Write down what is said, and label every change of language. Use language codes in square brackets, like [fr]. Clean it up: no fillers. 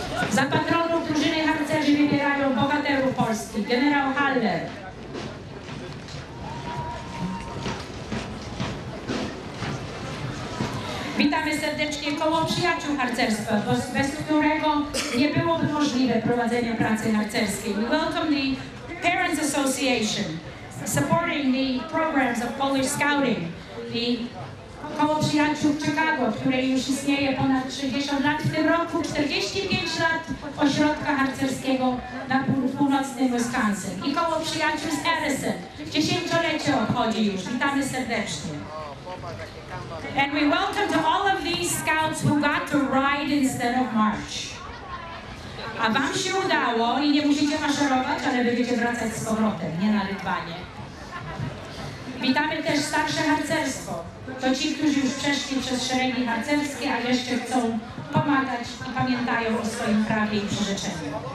[pl] Za patronów drużyny harcerzy wybierają bohaterów Polski. Generał Haller. Witamy serdecznie koło przyjaciół harcerstwa, bez którego nie byłoby możliwe prowadzenie pracy harcerskiej. [en] We welcome the Parents Association supporting the programs of Polish Scouting. [pl] The koło przyjaciół w Chicago, które już istnieje ponad 60 lat, w tym roku 45 lat ośrodka harcerskiego na północnym Wisconsin. I koło przyjaciół z Harrison, dziesięciolecie obchodzi już. Witamy serdecznie. [en] And we welcome to all of these scouts who got to ride instead of march. [pl] A wam się udało i nie musicie maszerować, ale będziecie wracać z powrotem, nie na rydwanie. Witamy też starsze harcerstwo. To ci, którzy już przeszli przez szeregi harcerskie, a jeszcze chcą pomagać i pamiętają o swoim prawie i przyrzeczeniu.